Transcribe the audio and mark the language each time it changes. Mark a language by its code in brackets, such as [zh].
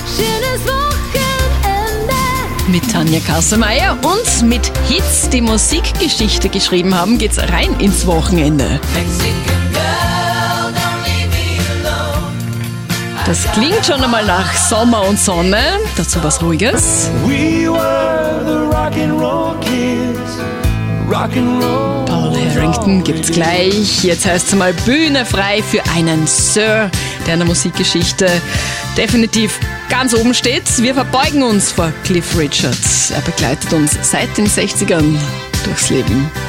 [de] Schönes Wochenende. Mit Tanja Kassemeier und mit Hits, die Musikgeschichte geschrieben haben, geht's rein ins Wochenende. Das klingt schon einmal nach Sommer und Sonne. Dazu was Ruhiges. [en] We were the Rock'n'Roll Kids. Rock'n'Roll. [de] Paul Harrington gibt's gleich. Jetzt heißt es mal Bühne frei für einen Sir, der in der Musikgeschichte definitiv ganz oben steht. Wir verbeugen uns vor Cliff Richards. Er begleitet uns seit den 60ern durchs Leben.